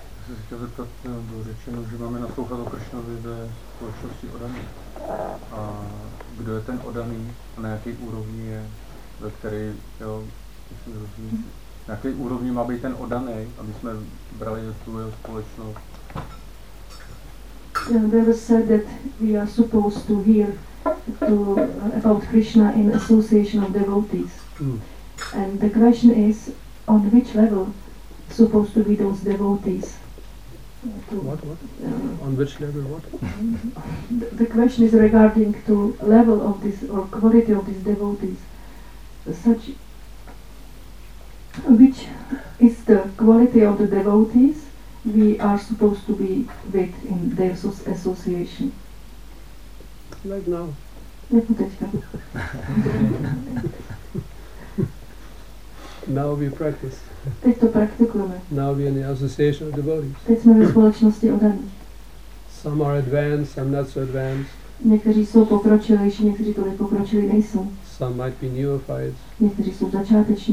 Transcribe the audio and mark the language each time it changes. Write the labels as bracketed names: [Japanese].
[Czech] Já jsem se chtěl zeptat, bylo řečeno, že máme naslouchat o Kršnovi ve společnosti Odaný. A kdo je ten Odaný a na jaké úrovni je, ve které, jo, jestli rozumím, na jaké úrovni má být ten Odaný, aby jsme brali tu jeho společnost? [English] Never said that we are supposed to hear to, about Krishna in association of devotees. And the question is, on which level supposed to be those devotees. On which level what? The question is regarding to level of this or quality of these devotees. Such, which is the quality of the devotees we are supposed to be with in their association? Like now. [Czech] Jako teďka. [English] Now we practice. [Czech] Teď to praktikujeme. [English] Now we are in the association of devotees. [Czech] Teď jsme ve společnosti odaných. [English] Some are advanced, some not so advanced. [Czech] Někteří jsou pokročilejší, někteří to nepokročili nejsou. [English] Some might be neophytes. [Czech] Někteří jsou začátečníci.